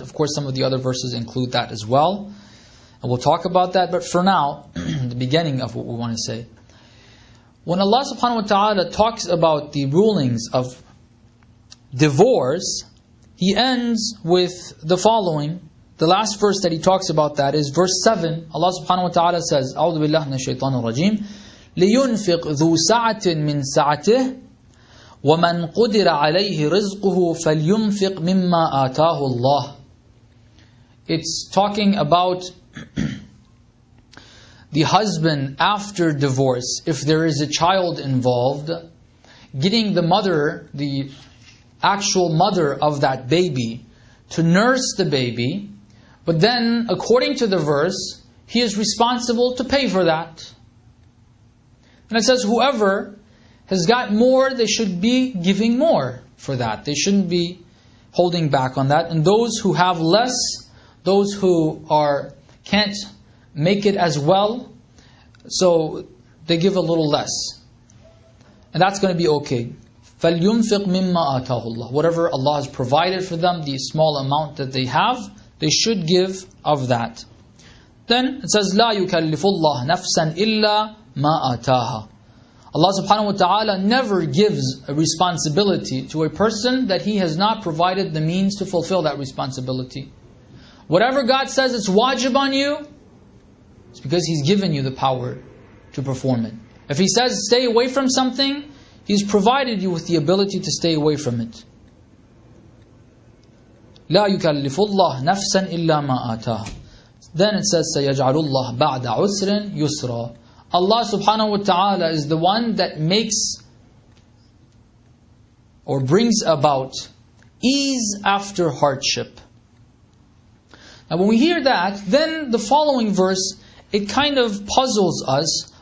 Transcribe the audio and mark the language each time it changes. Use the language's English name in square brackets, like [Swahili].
[English] Of course, some of the other verses include that as well. And we'll talk about that. But for now, the beginning of what we want to say. When Allah subhanahu wa ta'ala talks about the rulings of divorce, he ends with the following. The last verse that he talks about that is verse 7. Allah subhanahu wa ta'ala says, [Arabic] أعوذ بالله من الشيطان الرجيم لينفق ذو سعة من سعته ومن قدر عليه رزقه فلينفق مما آتاه الله. [English] It's talking about the husband after divorce, if there is a child involved, getting the mother, the actual mother of that baby, to nurse the baby. But then, according to the verse, he is responsible to pay for that. And it says, whoever has got more, they should be giving more for that. They shouldn't be holding back on that. And those who have less, those who can't make it as well, so they give a little less. And that's going to be okay. [Arabic] فَلْيُنْفِقْ مِمَّا آتَاهُ اللَّهُ. [English] Whatever Allah has provided for them, the small amount that they have, they should give of that. Then it says, [Arabic] لَا يُكَلِّفُ اللَّهُ نَفْسًا إِلَّا مَا آتَاهَا. [English] Allah subhanahu wa ta'ala never gives a responsibility to a person that he has not provided the means to fulfill that responsibility. Whatever God says it's wajib on you, it's because He's given you the power to perform it. If He says stay away from something, He's provided you with the ability to stay away from it. [Arabic] لا يكلف الله نفسا إلا ما آتاه. [English] Then it says, [Arabic] سيجعل الله بعد عسر يسرا. [English] Allah subhanahu wa ta'ala is the one that makes or brings about ease after hardship. Now when we hear that, then the following verse, it kind of puzzles us.